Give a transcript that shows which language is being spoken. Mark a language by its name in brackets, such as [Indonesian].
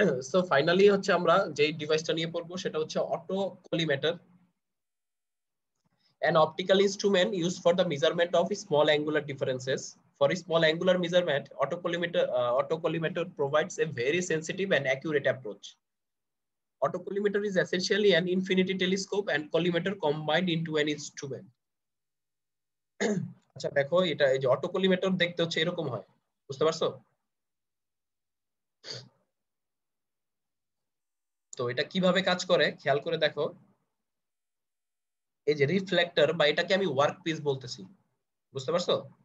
[Bangla] So finally হচ্ছে আমরা যে ডিভাইসটা নিয়ে পড়বো সেটা হচ্ছে auto কলিমেটার, [English] An optical instrument use for the measurement of small angular differences. For small angular measurement autocollimator provides a very sensitive and accurate approach. Autocollimator is essentially an infinity telescope and collimator combined into an instrument. [Bangla] আচ্ছা দেখো এটা এই যে autocollimator দেখতে হচ্ছে এরকম হয়, বুঝতে পারছো? তো এটা কিভাবে কাজ করে খেয়াল করে দেখো, এই যে রিফ্লেক্টর বা এটাকে আমি ওয়ার্কপিস বলতেছি, বুঝতে পারছো?